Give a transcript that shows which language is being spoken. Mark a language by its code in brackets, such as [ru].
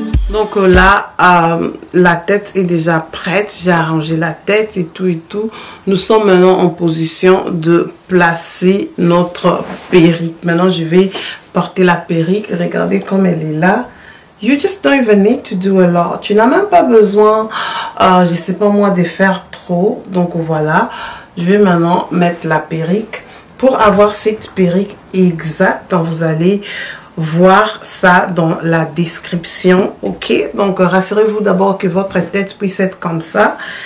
[fr] Donc là, la tête est déjà prête. J'ai arrangé la tête et tout et tout. Nous sommes maintenant en position de placer notre perruque. Maintenant, je vais porter la perruque. Regardez comme elle est là. [en] You just don't even need to do a lot. [fr] Tu n'as même pas besoin, je ne sais pas moi, de faire trop. Donc voilà, je vais maintenant mettre la perruque. Pour avoir cette perruque exacte, vous allez... voir ça dans la description, ok? Donc rassurez-vous d'abord que votre tête puisse être comme ça.